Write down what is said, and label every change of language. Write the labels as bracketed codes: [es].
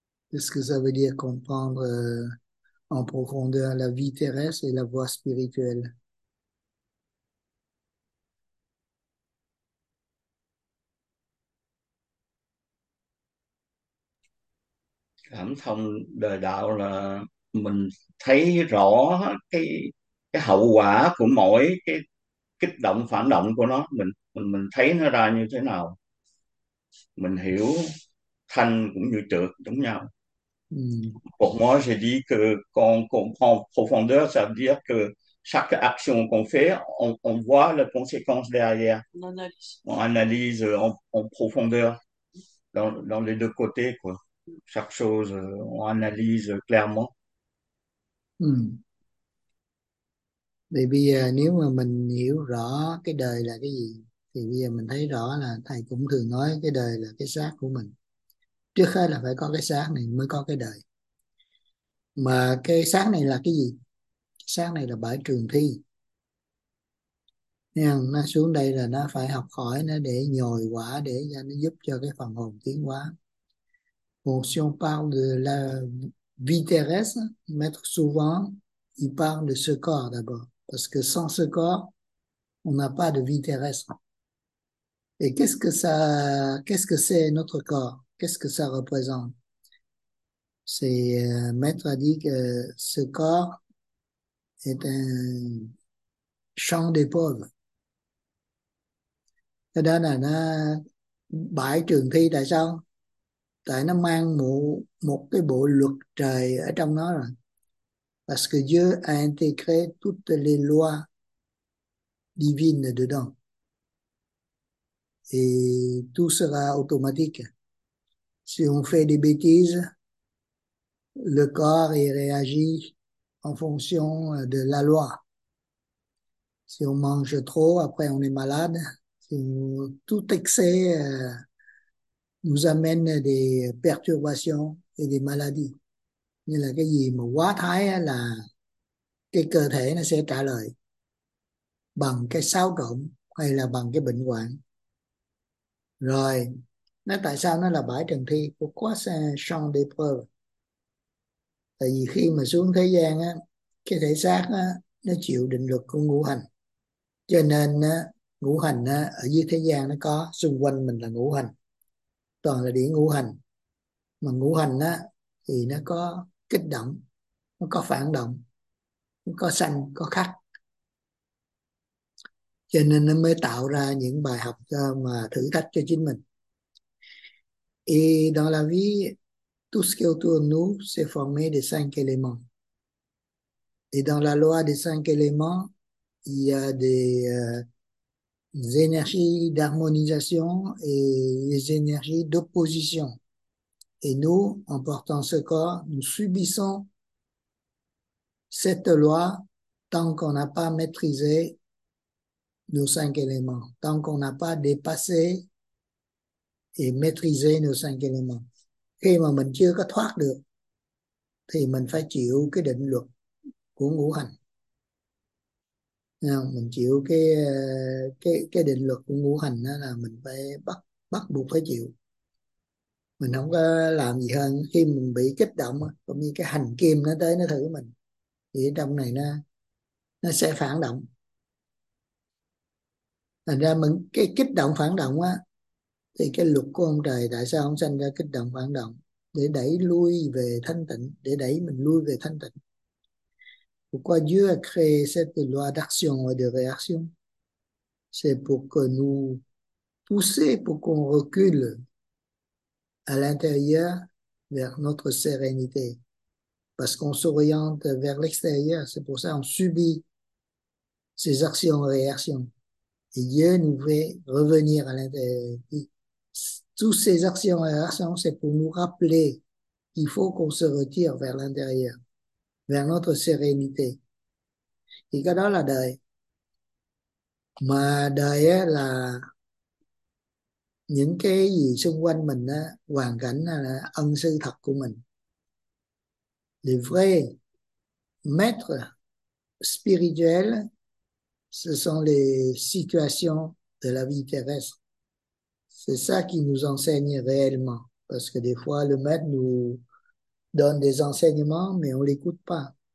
[fr] Qu'est-ce que ça veut dire comprendre en profondeur la vie terrestre et la voie spirituelle? [vi] Cảm thông đời đạo là mình thấy rõ cái hậu quả của mỗi cái kích động phản động của nó, mình thấy nó ra như thế nào, mình hiểu thanh cũng như trược giống nhau. [fr] Pour moi, j'ai dit que quand on prend profondeur, ça veut dire que chaque action qu'on fait, on voit les conséquences derrière. On analyse en profondeur dans les deux côtés, quoi. Chaque chose, on analyse clairement. [vi] Vì bây giờ nếu mà mình hiểu rõ cái đời là cái gì, thì bây giờ mình thấy rõ là thầy cũng thường nói cái đời là cái xác của mình. Trước hết là phải có cái xác này mới có cái đời. Mà cái xác này là cái gì? Xác này là bãi trường thi. Nên nó xuống đây là nó phải học hỏi, nó để nhồi quả, để cho nó giúp cho cái phần hồn tiến hóa. [fr] Bon, si on parle de la vie terrestre, maître souvent, il parle de ce corps d'abord. Parce que sans ce corps, on n'a pas de vie terrestre. Et qu'est-ce que c'est notre corps? Qu'est-ce que ça représente? Maître a dit que ce corps est un champ d'épreuves. [vi] Cái đó là nó bãi trường thi, tại sao? Tại nó mang một cái bộ luật trời ở trong nó rồi. [fr] Parce que Dieu a intégré toutes les lois divine dedans. Et tout sera automatique. Si on fait des bêtises, le corps y réagit en fonction de la loi. Si on mange trop, après on est malade. Tout excès nous amène des perturbations et des maladies. [vi] Nên là cái gì mà quá thái là cái cơ thể nó sẽ trả lời bằng cái xáo trộn hay là bằng cái bệnh hoạn. Rồi, nó tại sao nó là bãi trần thi của quá xa champ d'épreuve. Tại vì khi mà xuống thế gian á, cái thể xác á, nó chịu định luật của ngũ hành. Cho nên á, ngũ hành á, ở dưới thế gian nó có xung quanh mình là ngũ hành. Toàn là điển ngũ hành. Mà ngũ hành á, thì nó có kích động, nó có phản động, nó có sanh, có khắc. Cho nên nó mới tạo ra những bài học mà thử thách cho chính mình. [fr] Et dans la vie, tout ce qui est autour de nous s'est formé des cinq éléments. Et dans la loi des cinq éléments, il y a des énergies d'harmonisation et des énergies d'opposition. Et nous, en portant ce corps, nous subissons cette loi tant qu'on n'a pas maîtrisé nos cinq éléments, tant qu'on n'a pas dépassé et maîtriser nos cinq éléments. [vi] Khi mà mình chưa có thoát được thì mình phải chịu cái định luật của ngũ hành. Nào, mình chịu cái định luật của ngũ hành đó là mình phải bắt buộc phải chịu. Mình không có làm gì hơn khi mình bị kích động cũng như cái hành kim nó tới nó thử mình thì trong này nó sẽ phản động. Thành ra mình cái kích động phản động á thì cái luật của ông trời tại sao ông sanh ra kích động phản động để đẩy lui về thanh tịnh, để đẩy mình lui về thanh tịnh. [fr] Pourquoi Dieu a créé cette loi d'action et de réaction? C'est pour que nous pousser, pour qu'on recule à l'intérieur vers notre sérénité. Parce qu'on s'oriente vers l'extérieur, c'est pour ça qu'on subit ces actions et réactions. Et Dieu nous fait revenir à l'intérieur. Toutes ces actions et réactions, c'est pour nous rappeler qu'il faut qu'on se retire vers l'intérieur, vers notre sérénité. [vi] Thì cái đó là đời. Mà đời á, là những cái gì xung quanh mình á, hoàn cảnh á, là ân sư thật của mình. [fr] Les vrais maîtres spirituels, ce sont les situations de la vie terrestre. C'est ça qui nous enseigne réellement. Parce que des fois, le maître nous donne des enseignements, mais on l'écoute pas.